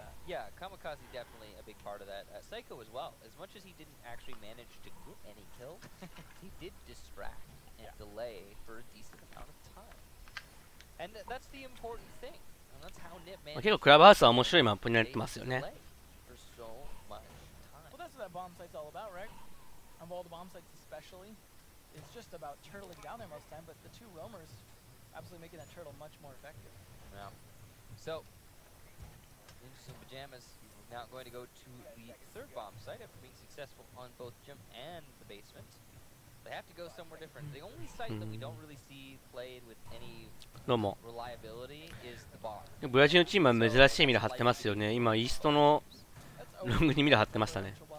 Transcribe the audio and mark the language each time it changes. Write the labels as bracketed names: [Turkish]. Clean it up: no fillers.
[English] Yeah, Kamikaze definitely a big part of that. Psycho as well. As much as he didn't actually manage to get any kills, he did distract and delay for a decent amount of time. And that's the important thing. And that's how Nip managed. [Japanese] 結構クラブハウスは面白いマップになってますよね。 [English] Well, that's what that bomb site's all about, right? Of all the bomb sites especially, it's just about turtling down there most time, but the two roamers absolutely making that turtle much more effective. Yeah. So... Into some pajamas. He's now going to go to the third bomb site after being successful on both gym and the basement. They have to go somewhere different. The only site that we don't really see played with any reliability is the bar. [Japanese] ブラジルのチームは珍しいミラ貼ってますよね。今イーストのロングにミラ貼ってましたね。